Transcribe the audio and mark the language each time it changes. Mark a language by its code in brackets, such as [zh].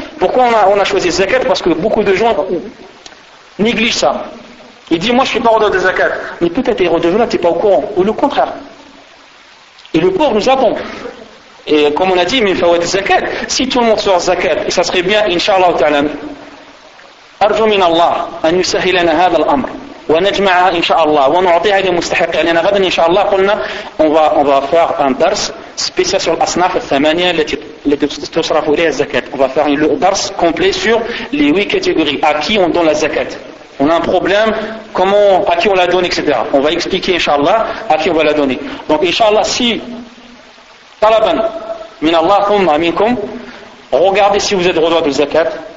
[fr] Pourquoi on a choisi zakat? Parce que beaucoup de gens négligent ça. Ils disent, moi, je ne suis pas redevable de zakat. Mais peut-être, redevable, tu n'es pas au courant. Ou le contraire. Et le pauvre nous attend. Et comme on a dit, mais il faut être zakat. Si tout le monde sort zakat, et ça serait bien, Inch'Allah ta'ala. [ar] أرجو من الله أن يسهل لنا هذا الأمر ونجمع إن شاء الله ونعطيها للمستحقين لأن غدا إن شاء الله قلنا [fr] on va faire un [ar] درس [fr] spécial sur [ar] الأصناف الثمانية التي تصرف إليها الزكاة. [fr] On va faire le درس complet sur les 8 catégories. À qui on donne la zakat? On a un problème, à qui on la donne, etc. On va expliquer إن شاء الله à qui on va la donner. Donc إن شاء الله si [ar] طلبا من الله ثم منكم, [fr] regardez si vous êtes redevable de zakat.